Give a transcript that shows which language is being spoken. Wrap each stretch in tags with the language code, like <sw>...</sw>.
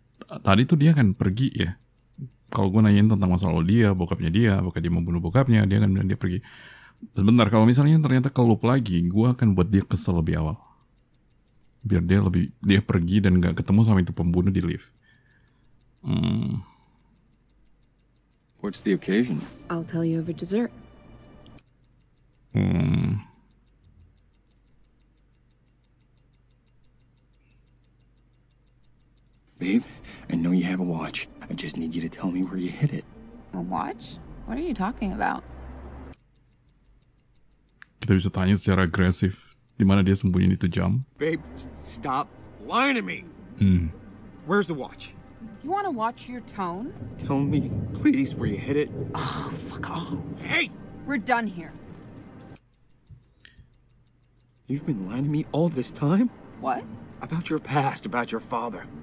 <id>Tadi tuh dia akan pergi ya. Kalau gue nanyain tentang masalah dia, bokapnya dia, apakah dia membunuh bokapnya, dia akan bilang dia pergi. Sebentar, kalau misalnya ternyata kelup lagi, gue akan buat dia kesel lebih awal. biar dia lebih dia pergi dan nggak ketemu sama itu pembunuh di lift.</id> <en>What's the occasion? I'll tell you over dessert. Babe, I know you have a watch. I just need you to tell me where you hid it. A watch? What are you talking about?</en> <id>Kita bisa tanya secara agresif di mana dia sembunyiin itu jam.</id> <en>Babe, stop lying to me. Where's the watch? You want to watch your tone? Tell me, please, where you hid it. Oh, fuck off. Hey! We're done here. You've been lying to me all this time? What? About your past, about your father.</en>